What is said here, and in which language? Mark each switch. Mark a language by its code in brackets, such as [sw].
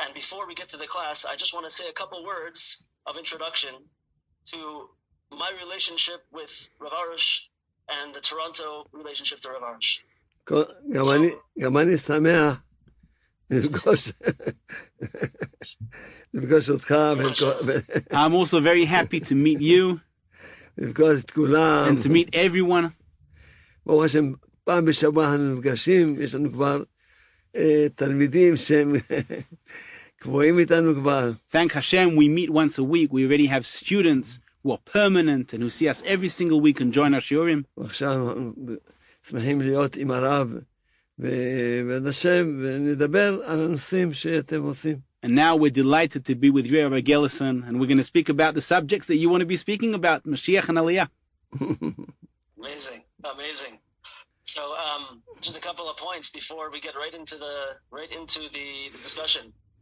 [en] And before we get to the class, I just want to say a couple words of introduction to my relationship with Rav Arush and the Toronto relationship to Rav Arush. [he] Gamani Sameach Lefgosh Otcha. [en] I'm also very happy to meet you and to meet everyone. [he] ברוך השם, פעם בשבוע אנחנו נפגשים, יש לנו כבר תלמידים שהם קבועים איתנו כבר. [en] Thank Hashem, we meet once a week. We already have students who are permanent and who see us every single week and join our shiurim. [he] ועכשיו שמחים להיות עם הרב ועד השם, ונדבר על הנושאים שאתם עושים. [en] And now we're delighted to be with you, Rabbi Gelison, and we're going to speak about the subjects that you want to be speaking about, Mashiach and Aliyah. Amazing. So just a couple of points before we get right into the discussion.